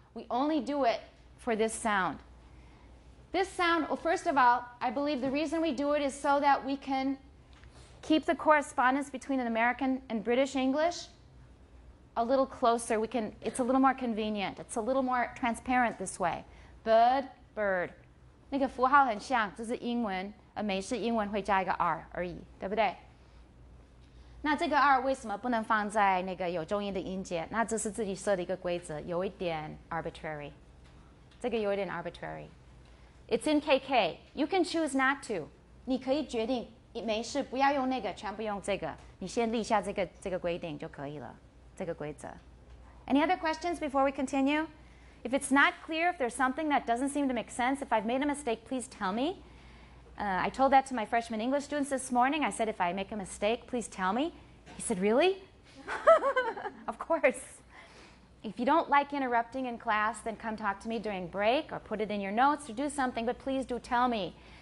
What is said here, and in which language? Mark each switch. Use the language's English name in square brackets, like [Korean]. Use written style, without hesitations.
[English] We only do it for this sound. This sound, well, first of all, I believe the reason we do it is so that we can keep the correspondence between an American and British English a little closer. It's a little more convenient. It's a little more transparent this way. Bird, bird. [Chinese] 那个符号很像，这是英文，美式英文会加一个 R 而已，对不对？那这个 R 为什么不能放在那个有重音的音节？那这是自己设的一个规则，有一点 arbitrary. 这个有一点 arbitrary. [English] It's in KK. You can choose not to. [Chinese] 你可以决定没事，不要用那个，全部用这个。你先立下这个规定就可以了。这个规则。 [English] Any other questions before we continue? If it's not clear, if there's something that doesn't seem to make sense, if I've made a mistake, please tell me. I told that to my freshman English students this morning. I said, if I make a mistake, please tell me. He said, really? Of course. If you don't like interrupting in class, then come talk to me during break or put it in your notes or do something, but please do tell me.